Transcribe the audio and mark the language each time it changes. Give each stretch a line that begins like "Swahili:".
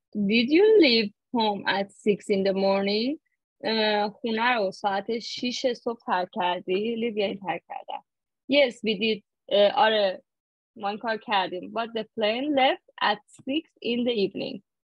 English: Did you leave home at 6 in the morning?
Persian: خونه رو ساعت 6 صبح ترک کردی؟ Leave یعنی ترک کردم.
English: Yes, we did.
Persian: آره، ما این کار کردیم.
English: But the plane left at 6 in the evening.